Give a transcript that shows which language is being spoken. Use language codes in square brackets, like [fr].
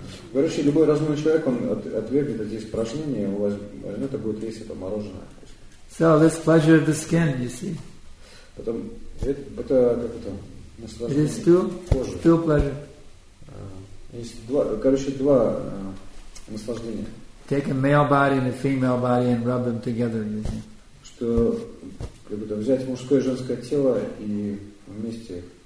[ru] Короче, любой разумный человек, он отвергнет эти испражнения, он возьмет и будет есть это мороженое. [en] So this pleasure of the skin, you see. [ru] Потом это как это наслаждение. [en] It is two pleasure. [ru] Есть два наслаждения. [en] Take a male body and a female body and rub them together, you see. [ru] Что как это взять мужское и женское тело и вместе.